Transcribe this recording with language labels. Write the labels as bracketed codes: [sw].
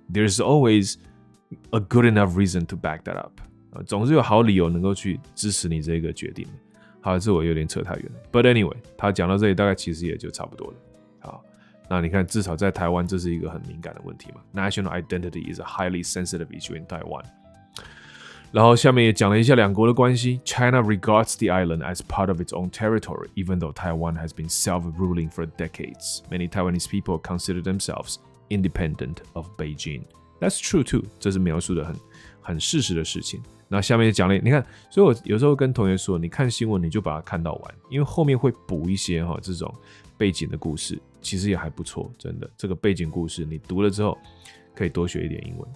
[en] There's always a good enough reason to back that up. [zh] 总是有好理由能够去支持你这个决定。好，这我有点扯太远了。 [en] But anyway， [zh] 他讲到这里大概其实也就差不多了。好，那你看，至少在台湾，这是一个很敏感的问题嘛。 [en] National identity is a highly sensitive issue in Taiwan。 [zh] 然后下面也讲了一下两国的关系。 [en] China regards the island as part of its own territory, even though Taiwan has been self-ruling for decades. Many Taiwanese people consider themselves independent of Beijing. That's true too。 [zh] 这是描述的很事实的事情。那下面讲了，你看，所以我有时候跟同学说，你看新闻你就把它看到完，因为后面会补一些哈这种背景的故事，其实也还不错，真的。这个背景故事你读了之后，可以多学一点英文。